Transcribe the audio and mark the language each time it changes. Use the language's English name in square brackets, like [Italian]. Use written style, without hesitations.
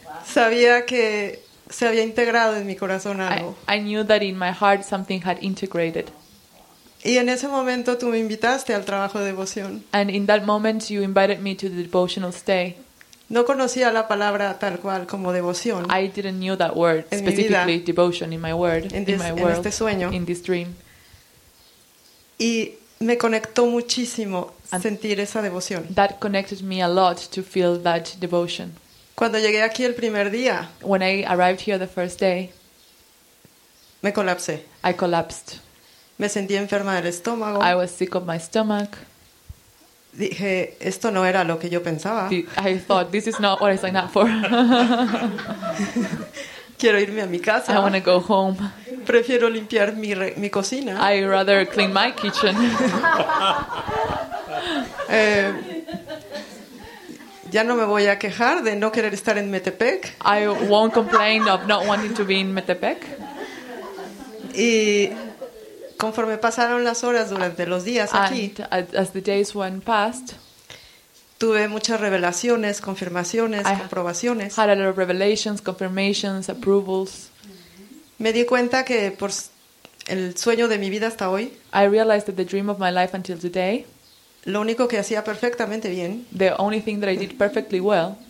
[Spanish] Sabía que se había integrado en mi corazón algo. [English] I knew that in my heart something had integrated. [Spanish] Y en ese momento tú me invitaste al trabajo de devoción. [English] And in that moment you invited me to the devotional stay. [Spanish] No conocía la palabra tal cual como devoción. [English] I didn't know that word, specifically devotion in my word, in my world, [Spanish] este sueño. [English] In this dream. [Spanish] Y me conectó muchísimo and sentir esa devoción. [English] That connected me a lot to feel that devotion. [Spanish] Cuando llegué aquí el primer día, [English] when I arrived here the first day, [Spanish] me colapsé. [English] I collapsed. [Spanish] Me sentí enferma del estómago. [English] I was sick of my stomach. [Spanish] Dije, esto no era lo que yo pensaba. [English] I thought, this is not what I signed up for. [Spanish] Quiero irme a mi casa. [English] I want to go home. [Spanish] Prefiero limpiar mi cocina. [English] I rather clean my kitchen. [Spanish] Ya no me voy a quejar de no querer estar en Metepec. [English] I won't complain of not wanting to be in Metepec. [Spanish] Y conforme pasaron las horas durante los días aquí, [English] as the days went past, [Spanish] tuve muchas revelaciones, confirmaciones, comprobaciones. [English] I had a lot of revelations, confirmations, approvals. [Spanish] Me di cuenta que por el sueño de mi vida hasta hoy, [English] I realized that the dream of my life until today, [Spanish] lo único que hacía perfectamente bien, [English] the only thing that I did perfectly well,